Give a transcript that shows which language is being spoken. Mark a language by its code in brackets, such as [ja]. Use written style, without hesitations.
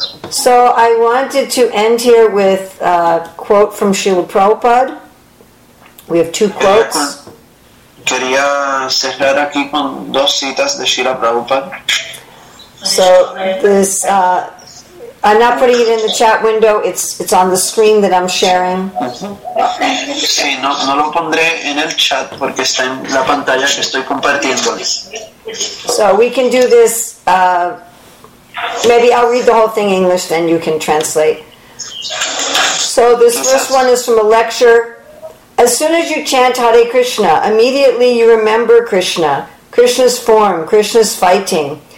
[en] So I wanted to end here with a quote from Srila Prabhupada. We have two quotes. [es] Quería cerrar aquí con dos citas de Srila Prabhupada. [en] So this, I'm not putting it in the chat window. It's on the screen that I'm sharing. [es] Sí, no lo pondré en el chat porque está en la pantalla que estoy compartiéndoles. [en] So we can do this. Maybe I'll read the whole thing in English, then you can translate. So this first one is from a lecture. As soon as you chant Hare Krishna, immediately you remember Krishna, Krishna's form, Krishna's fighting.